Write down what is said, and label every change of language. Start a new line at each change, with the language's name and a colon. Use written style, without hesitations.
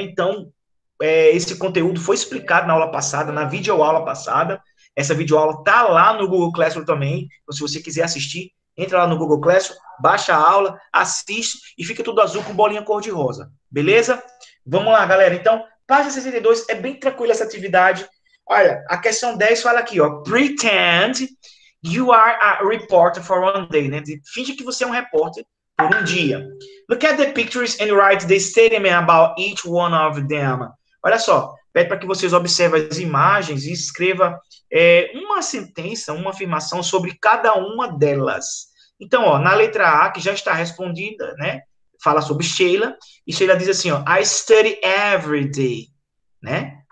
Portuguese: Então, esse conteúdo foi explicado na aula passada, na videoaula passada. Essa videoaula tá lá no Google Classroom também. Então, se você quiser assistir, entra lá no Google Classroom, baixa a aula, assiste e fica tudo azul com bolinha cor-de-rosa. Beleza? Vamos lá, galera. Então, Página 62 é bem tranquila essa atividade. Olha, a questão 10 fala aqui, ó.
English: Pretend you are a reporter for one day, né?
Portuguese: Finge que você é um repórter por um dia.
English: Look at the pictures and write the statement about each one of them.
Portuguese: Olha só, pede para que vocês observem as imagens e escreva uma sentença, uma afirmação sobre cada uma delas. Então, ó, na letra A, que já está respondida, né? Fala sobre Sheila, e Sheila diz assim, ó,
English: I study every day,
Portuguese: né?